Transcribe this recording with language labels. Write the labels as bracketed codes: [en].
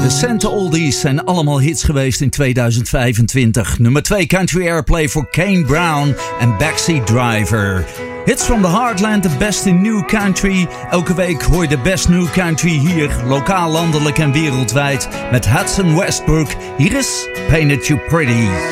[nl] Santa Oldies zijn allemaal hits geweest in 2025. Nummer 2 country airplay voor Kane Brown en Backseat Driver. [en] Hits from the Heartland, the best in new country. [nl] Elke week hoor je de best new country hier, lokaal, landelijk en wereldwijd. Met Hudson Westbrook. Hier is Painted You Pretty.